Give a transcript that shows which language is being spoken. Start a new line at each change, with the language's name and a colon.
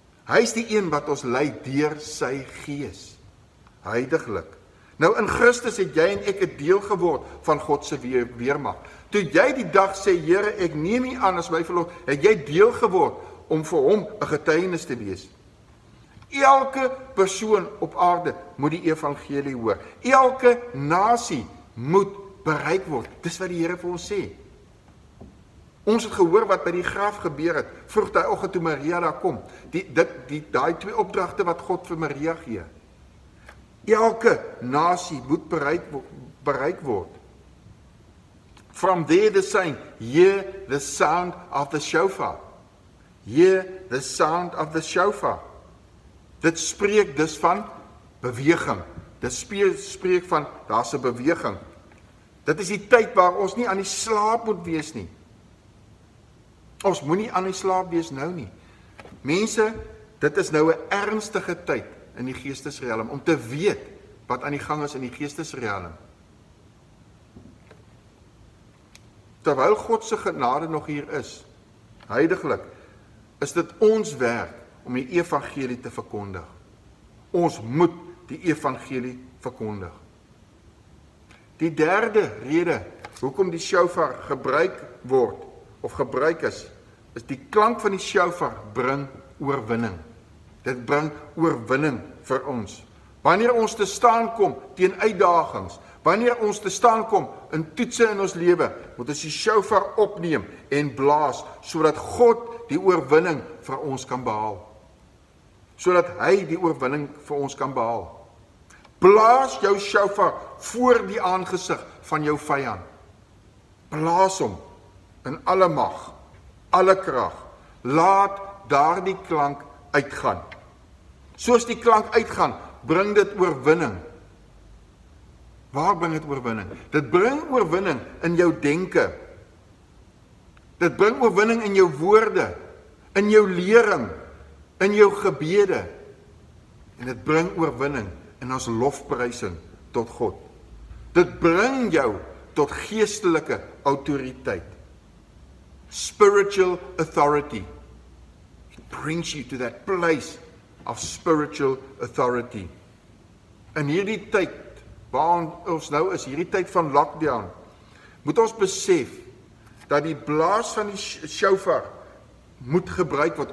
Afrikaans: Hy is die een wat ons lei deur sy Gees. Heidiglik. Nou in Christus het jy en ek het deel geword van Godse weermacht. Toe jy die dag sê, Here, ek neem nie aan as my verlos, het jy deel geword om vir hom een getuienis te wees. Elke persoon op aarde moet die evangelie hoor. Elke nasie moet bereik word. Dis wat die Here vir ons sê. Ons het gehoor wat by die graaf gebeur het, vroeg die oggend toe Maria daar kom, die twee opdragte wat God vir Maria gee. Elke nasie moet bereik word.
English: From there the sign, hear the sound of the shofar. Hear the sound of the shofar.
Afrikaans: Dit spreek dus van beweging. Dit spreek van, daar's 'n beweging. Dit is die tyd waar ons nie aan die slaap moet wees nie. Ons moet nie aan die slaap wees nou nie. Mense, dit is nou 'n ernstige tyd in die geestesrealm om te weet wat aan die gang is in die geestesrealm. Terwyl Godse genade nog hier is, heidiglik, is dit ons werk om die evangelie te verkondig. Ons moet die evangelie verkondig. Die derde rede hoekom die shofar gebruik word of gebruik is, is die klank van die shofar bring oorwinning. Dit bring oorwinning vir ons. Wanneer ons te staan kom teen uitdagings, wanneer ons te staan kom in toetse in ons lewe, moet ons die shofar opneem en blaas, sodat God die oorwinning vir ons kan behaal. Sodat hy die oorwinning vir ons kan behaal. Blaas jou shofar voor die aangesig van jou vyand. Blaas hom in alle mag, alle krag. Laat daar die klank uitgaan. Soos die klank uitgaan, bring dit oorwinning. Waar bring dit oorwinning? Dit bring oorwinning in jou denke. Dit bring oorwinning in jou woorde, in jou lering, in jou gebede. En dit bring oorwinning in ons lofprysing tot God. Dit bring jou tot geestelike autoriteit.
English: Spiritual authority. It brings you to that place of spiritual authority.
Afrikaans: In hierdie tyd waar ons nou is, hierdie tyd van lockdown, moet ons besef dat die blaas van die shofar moet gebruik word.